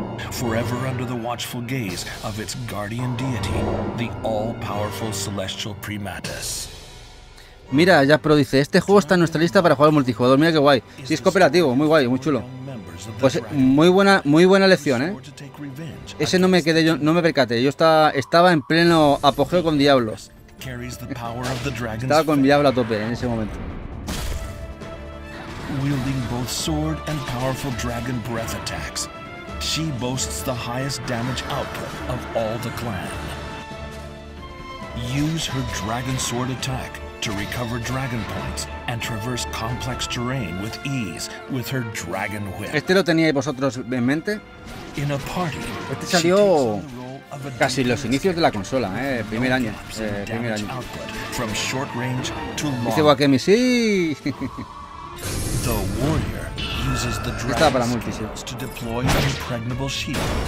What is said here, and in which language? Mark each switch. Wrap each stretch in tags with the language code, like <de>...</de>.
<en>Forever under the watchful gaze of its guardian deity, the all-powerful celestial primatus.</en> <es>Mira, ya Pro dice, este juego está en nuestra lista para jugar multijugador. Mira qué guay. Sí, es cooperativo, muy guay, muy chulo. Pues muy buena lección, ¿eh? Ese no me quedé, yo no me percaté. Yo estaba en pleno apogeo con Diablos. Estaba con Diablo a tope en ese momento.</es> <en>Wielding both sword and powerful dragon breath attacks, she boasts the highest damage output of all the clan. Use her dragon sword attack to recover dragon points and traverse complex terrain with ease with her dragon whip.</en> <es>¿Este lo teníais vosotros en mente?</es> <en>In a party,</en> <es>este salió casi los inicios de la consola, primer año. Primer año.</es> <en>From short range to long.</en> <es>Dice Wakemi, sí.</es> <en>The warrior uses the dragon skills to deploy an impregnable shield.</en>